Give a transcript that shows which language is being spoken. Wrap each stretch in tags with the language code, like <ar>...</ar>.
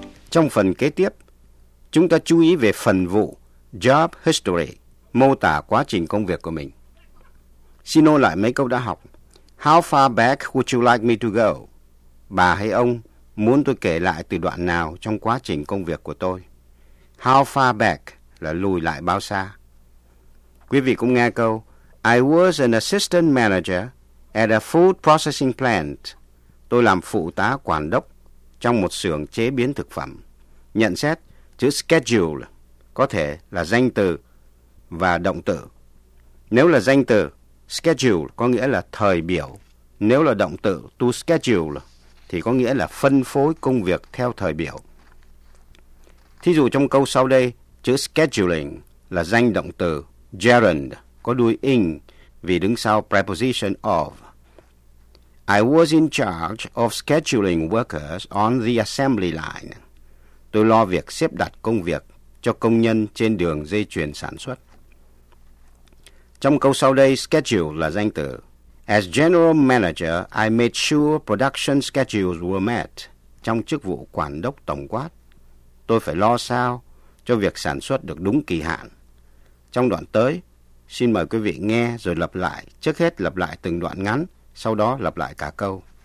<vi>Trong phần kế tiếp, chúng ta chú ý về phần vụ Job History, mô tả quá trình công việc của mình. Xin ôn lại mấy câu đã học.</vi> <en>How far back would you like me to go?</en> <vi>Bà hay ông muốn tôi kể lại từ đoạn nào trong quá trình công việc của tôi?</vi> <en>How far back</en> <vi>là lùi lại bao xa? Quý vị cũng nghe câu,</vi> <en>I was an assistant manager at a food processing plant.</en> <vi>Tôi làm phụ tá quản đốc trong một xưởng chế biến thực phẩm. Nhận xét, chữ schedule có thể là danh từ và động từ. Nếu là danh từ, schedule có nghĩa là thời biểu. Nếu là động từ, to schedule, thì có nghĩa là phân phối công việc theo thời biểu. Thí dụ trong câu sau đây, chữ scheduling là danh động từ gerund, có đuôi ing vì đứng sau preposition of.</vi> <en>I was in charge of scheduling workers on the assembly line.</en> <vi>Tôi lo việc xếp đặt công việc cho công nhân trên đường dây chuyền sản xuất. Trong câu sau đây, schedule là danh từ.</vi> <en>As general manager, I made sure production schedules were met.</en> <vi>Trong chức vụ quản đốc tổng quát, tôi phải lo sao cho việc sản xuất được đúng kỳ hạn. Trong đoạn tới, Xin mời quý vị nghe rồi lặp lại. Trước hết lặp lại từng đoạn ngắn, sau đó lặp lại cả câu.</vi>